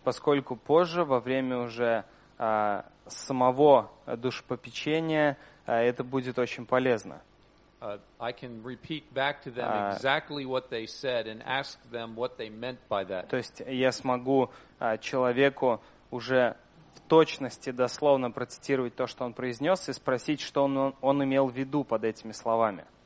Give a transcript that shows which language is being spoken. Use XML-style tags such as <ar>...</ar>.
<ru>Поскольку позже, во время уже самого душепопечения, это будет очень полезно.</ru> <en>I can repeat back to them exactly what they said and ask them what they meant by that.</en> <ru>То есть я смогу человеку уже в точности дословно процитировать то, что он произнес, и спросить, что он имел в виду под этими словами.</ru>